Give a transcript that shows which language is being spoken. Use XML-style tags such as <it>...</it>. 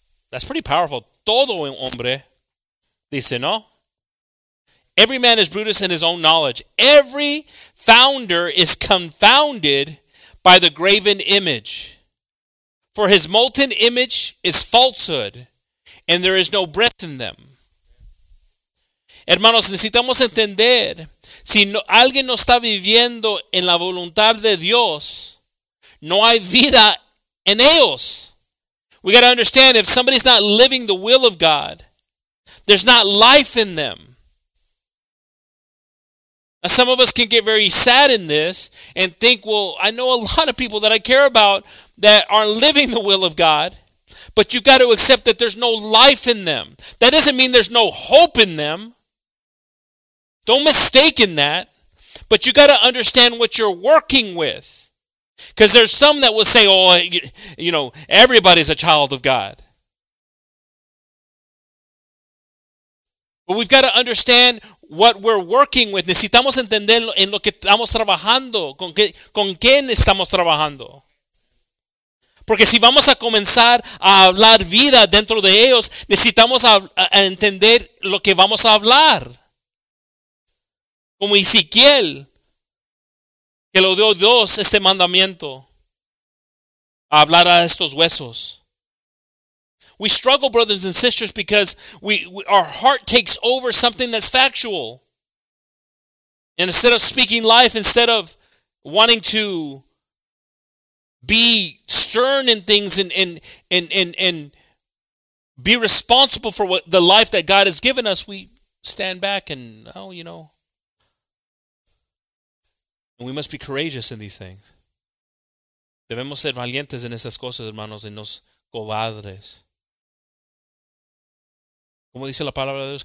<en>That's pretty powerful.</en> <es>Todo hombre, dice, ¿no?</es> <en>Every man is brutish in his own knowledge. Every founder is confounded by the graven image. For his molten image is falsehood, and there is no breath in them.</en> <es>Hermanos, necesitamos entender, si no, alguien no está viviendo en la voluntad de Dios, no hay vida en ellos.</es> <en>We got to understand, if somebody's not living the will of God, there's not life in them. Now, some of us can get very sad in this and think, well, I know a lot of people that I care about that aren't living the will of God, but you've got to accept that there's no life in them. That doesn't mean there's no hope in them. Don't mistake in that, but you got to understand what you're working with. Because there's some that will say, oh, you know, everybody's a child of God. But we've got to understand what we're working with.</en> <es>Necesitamos entender en lo que estamos trabajando, con quién estamos trabajando. Porque si vamos a comenzar a hablar vida dentro de ellos, necesitamos a entender lo que vamos a hablar. Como Ezequiel, que lo dio Dios este mandamiento, a hablar a estos huesos.</es> <en>We struggle, brothers and sisters, because we our heart takes over something that's factual. And instead of speaking life, instead of wanting to be stern in things and be responsible for what the life that God has given us, we stand back and, oh, you know. And we must be courageous in these things.</en> <es>Debemos ser valientes en estas cosas, hermanos, y no cobardes. ¿Cómo dice la palabra de Dios?</es>